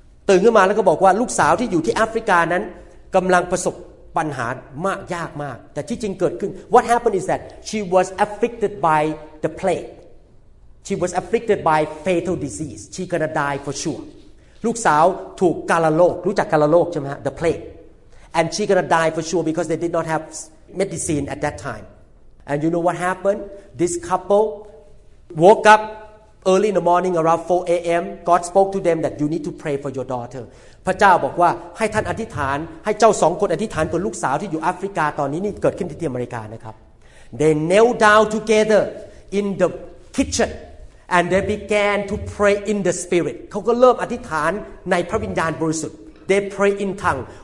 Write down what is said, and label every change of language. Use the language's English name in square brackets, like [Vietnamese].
[Thai] ตื่นขึ้นมาแล้วก็บอกว่าลูกสาวที่อยู่ที่แอฟริกานั้นกำลังประสบปัญหามากยากมากแต่ที่จริงเกิดขึ้น [English] what happened is that she was afflicted by the plagueShe was afflicted by fatal disease. She gonna die for sure. [Thai] ลูกสาวถูกกาลาโรครู้จักกาลาโรคใช่ไหมฮะ [English] The plague. And she gonna die for sure because they did not have medicine at that time. And you know what happened? This couple woke up early in the morning around 4 a.m. God spoke to them that you need to pray for your daughter. [Thai] พระเจ้าบอกว่าให้ท่านอธิษฐานให้เจ้าสองคนอธิษฐานเพื่อลูกสาวที่อยู่แอฟริกาตอนนี้นี่เกิดขึ้นที่อเมริกานะครับ [English] They knelt down together in the kitchen. And they began to pray in the spirit. [Thai] เขาก็เริ่มอธิษฐานในพระวิญญาณบริสุทธิ์ [English] They pray in tongue.